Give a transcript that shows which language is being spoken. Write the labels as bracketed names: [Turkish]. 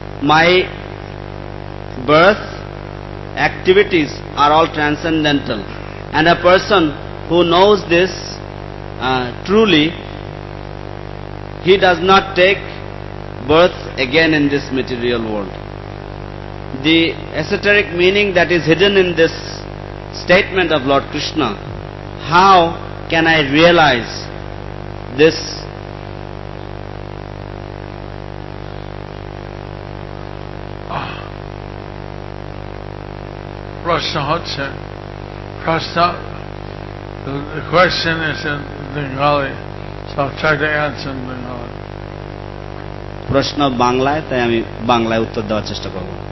[English] My birth activities are all transcendental and a person who knows this truly he does not take birth again in this material world. The esoteric meaning that is hidden in this statement of Lord Krishna, how can I realize this? [Bangla] Prashna Hatsha. [English] Prashna, the question is in Bengali, so I'll try to answer in Bengali. [Bangla] প্রশ্ন বাংলায়, তাই আমি বাংলায় উত্তর দেওয়ার চেষ্টা করব।